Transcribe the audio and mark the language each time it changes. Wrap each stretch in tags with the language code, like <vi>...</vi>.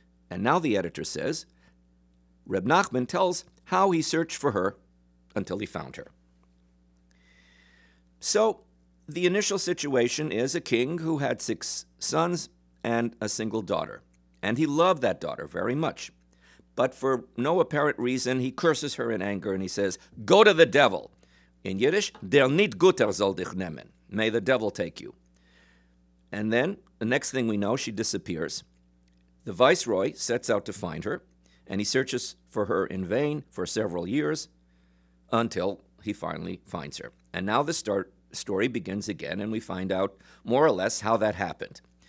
<en>And now the editor says, Reb Nachman tells how he searched for her until he found her. So the initial situation is a king who had six sons and a single daughter. And he loved that daughter very much. But for no apparent reason, he curses her in anger and he says, "Go to the devil." In Yiddish,</en> <yi>"Der nit guter soll dich nehmen."</yi> <en>May the devil take you. And then the next thing we know, she disappears. The viceroy sets out to find her, and he searches for her in vain for several years until he finally finds her. And now the story begins again, and we find out more or less how that happened.</en>